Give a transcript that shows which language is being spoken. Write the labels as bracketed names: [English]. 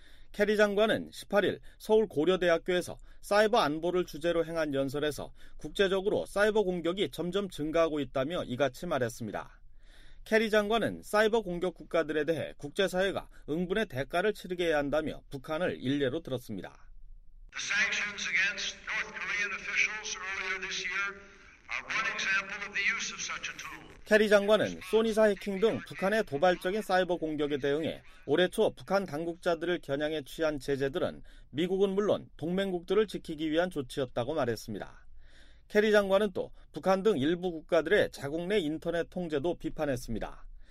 [Korean] 케리 장관은 18일 서울 고려대학교에서 사이버 안보를 주제로 행한 연설에서 국제적으로 사이버 공격이 점점 증가하고 있다며 이같이 말했습니다. 케리 장관은 사이버 공격 국가들에 대해 국제사회가 응분의 대가를 치르게 해야 한다며 북한을 일례로 들었습니다. [English] The sanctions against North Korean officials earlier this year are one example of the use of such a tool. [Korean] 캐리 장관은 소니사 해킹 등 북한의 도발적인 사이버 공격에 대응해 올해 초 북한 당국자들을 겨냥해 취한 제재들은 미국은 물론 동맹국들을 지키기 위한 조치였다고 말했습니다. 캐리 장관은 또 북한 등 일부 국가들의 자국 내 인터넷 통제도 비판했습니다.